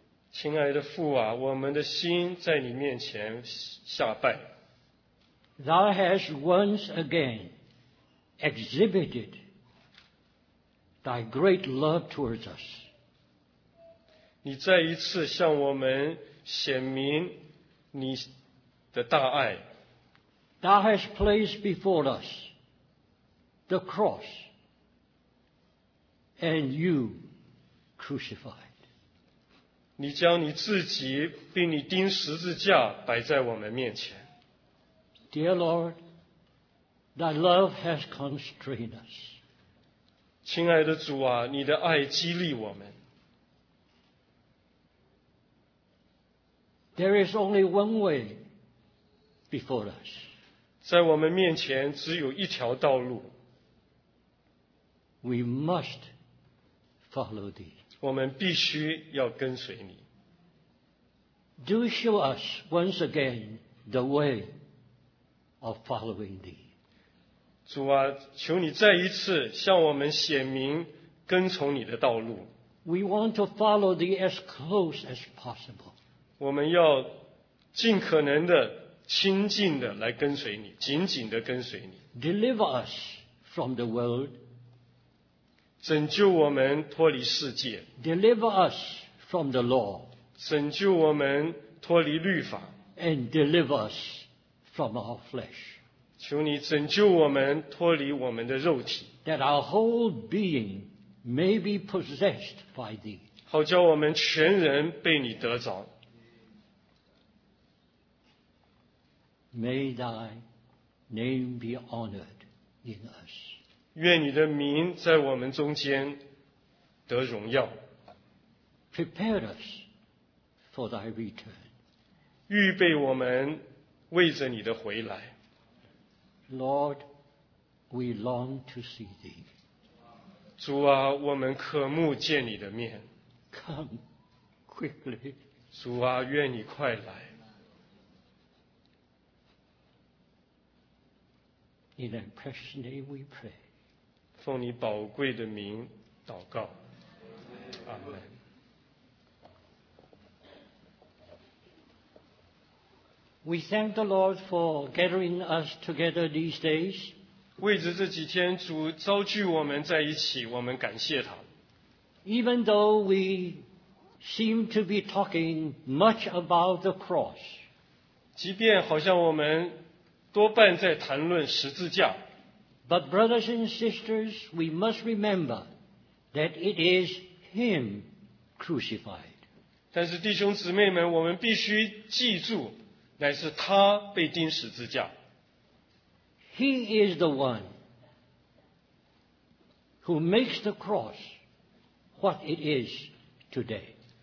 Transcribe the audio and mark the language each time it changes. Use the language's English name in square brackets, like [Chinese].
[Chinese] 亲爱的父啊，我们的心在你面前下拜。 [English] Thou hast once again exhibited thy great love towards us. [Chinese] 你再一次向我们显明你的大爱。 [English] Thou hast placed before us. The cross and you crucified. [Chinese] 你将你自己并你钉十字架摆在我们面前。 [English] Dear Lord, thy love has constrained us. [Chinese] 亲爱的主啊，你的爱激励我们。 [English] There is only one way before us. [Chinese] 在我们面前只有一条道路。 [English] We must follow thee. [Chinese] 我们必须要跟随你。 [English] Do show us once again the way of following thee. [Chinese] 主啊，求你再一次向我们显明跟从你的道路。 [English] We want to follow thee as close as possible. [Chinese] 我们要尽可能的亲近的来跟随你，紧紧的跟随你。 [English] Deliver us from the world. [Chinese] 拯救我们脱离世界。 [English] Deliver us from the law. [Chinese] 拯救我们脱离律法。 [English] And deliver us from our flesh. [Chinese] 求你拯救我们脱离我们的肉体。 [English] That our whole being may be possessed by thee. [Chinese] 好叫我们全人被你得着。 [English] May thy name be honored in us. [Chinese] 愿你的名在我们中间得荣耀。 [English] Prepare us for thy return. [Chinese] 预备我们为着你的回来。 [English] Lord, we long to see thee. [Chinese] 主啊，我们渴慕见你的面。 [English] Come quickly. [Chinese] 主啊，愿你快来。 [English] In thy precious name we pray. [Chinese] 奉你宝贵的名祷告，阿门。 [English] We thank the Lord for gathering us together these days. [Chinese] 为着这几天主召聚我们在一起，我们感谢他。 [English] Even though we seem to be talking much about the cross, [Chinese] 即便好像我们多半在谈论十字架。 [English] But brothers and sisters, we must remember that it is Him crucified. [Chinese] 但是弟兄姊妹们，我们必须记住，乃是他被钉十字架。 [English] He is the one who makes the cross what it is today.